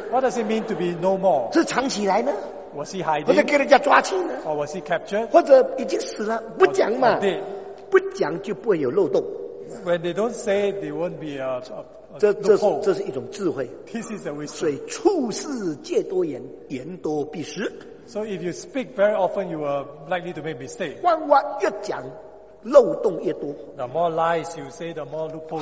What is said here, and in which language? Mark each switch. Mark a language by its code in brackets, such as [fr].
[en] What does it mean to be no more? [zh] 是藏起来呢？ [en] Was he hiding? [zh] 或者给人家抓去呢？ [en] Or was he captured? [zh] 或者已经死了？不讲嘛。 [en] Or dead. [zh] 不讲就不会有漏洞。 [en] When they don't say, they won't be a loophole. [zh] 这是一种智慧。 [en] This is a wisdom. [zh] 所以处事戒多言，言多必失。 [en] So if you speak very often, you are likely to make mistakes. [zh] 弯弯越讲，漏洞越多。 [en] The more lies you say, the more loopholes.